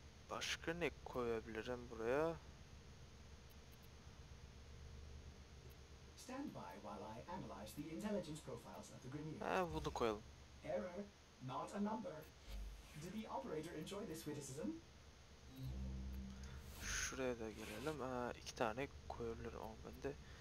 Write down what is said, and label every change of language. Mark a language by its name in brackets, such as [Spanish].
[Turkish] Başka ne koyabilirim buraya? [English] Stand by while I analyze the intelligence profiles of the Grenier. [Turkish] Bunu koyalım. [English] Error, not a number. Did the operator enjoy this criticism? [Turkish] Şuraya da gelelim. İki tane koyabilirim ama ben de.